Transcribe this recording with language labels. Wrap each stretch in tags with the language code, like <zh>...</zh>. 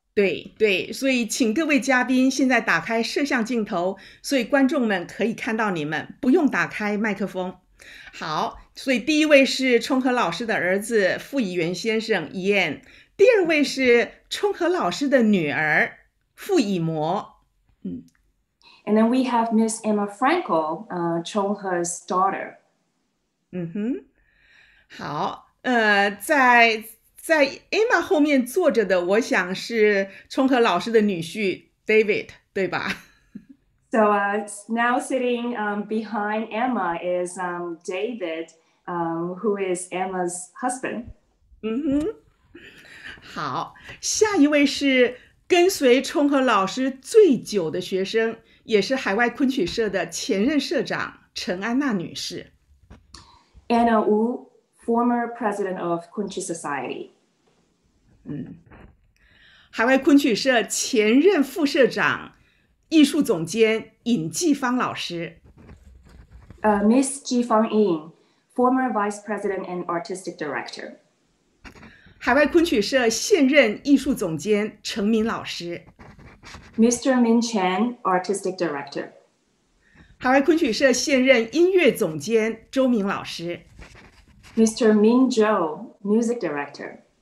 <zh>对对，所以请各位嘉宾现在打开摄像镜头，所以观众们可以看到你们，不用打开麦克风。好，所以第一位是冲和老师的儿子傅以元先生 Ian， 第二位是冲和老师的女儿傅以模。</zh> <en>And then we have Miss Emma Frankel, Chongher's daughter.</en> <zh>嗯哼，好，在 Emma 后面坐着的，我想是冲和老师的女婿 David， 对吧？</zh> <en>So now sitting behind Emma is David, who is Emma's husband.</en> <zh>好，下一位是跟随冲和老师最久的学生，也是海外昆曲社的前任社长陈安娜女士。</zh> <en>Anna Wu, former president of Kunqu Society.</en> <zh>海外昆曲社前任副社长。艺术总监尹继芳老师</zh> <en>Miss Ji Fang Yin, former vice president and artistic director.</en> <zh>海外昆曲社现任艺术总监程明老师</zh> <en>Mr. Min Chen, artistic director.</en> <zh>海外昆曲社现任音乐总监周明老师</zh> <en>Mr. Min Zhou, music director.</en>